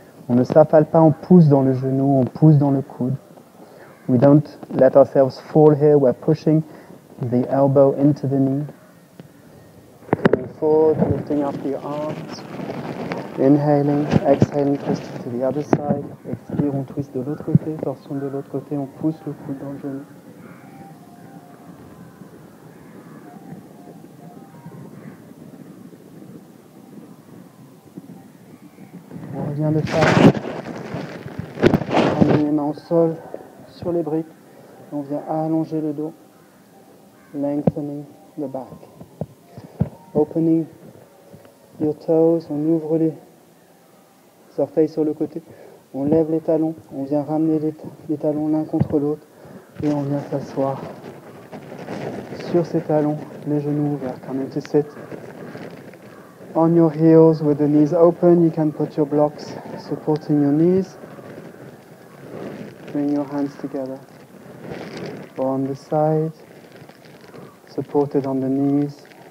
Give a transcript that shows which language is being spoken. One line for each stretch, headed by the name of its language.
French: On ne s'affale pas, on pousse dans le genou, on pousse dans le coude.
English: We don't let ourselves fall here, we're pushing the elbow into the knee. Coming forward, lifting up the arms. Inhaling, exhaling, twisting to the other side.
French: Expire, on twist de l'autre côté, torsion de l'autre côté, on pousse le coude dans le genou. Bien le faire. On met les mains au sol, sur les briques. On vient allonger le dos.
English: Lengthening the back. Opening your toes.
French: On ouvre les orteils sur le côté. On lève les talons. On vient ramener les talons l'un contre l'autre. Et on vient s'asseoir sur ses talons, les genoux ouverts.
English: Coming to sit. On your heels with the knees open, you can put your blocks supporting your knees. Bring your hands together. Or on the side, supported on the knees.